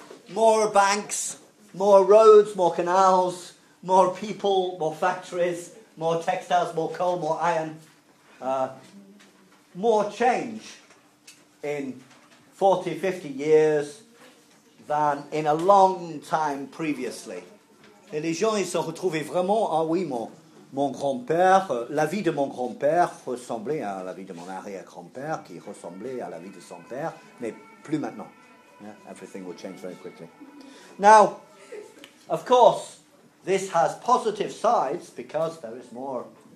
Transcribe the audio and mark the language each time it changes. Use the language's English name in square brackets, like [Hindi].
[English] More banks, more roads, more canals, more people, more factories, more textiles, more coal, more iron. More change in 40, 50 years than in a long time previously. [French] Et les gens, ils se retrouvaient vraiment, ah oui, mon grand-père, la vie de mon grand-père ressemblait à la vie de mon arrière-grand-père qui ressemblait à la vie de son père, mais plus maintenant. [English] Yeah, everything will change very quickly. Now, of course, this has positive sides because there is more.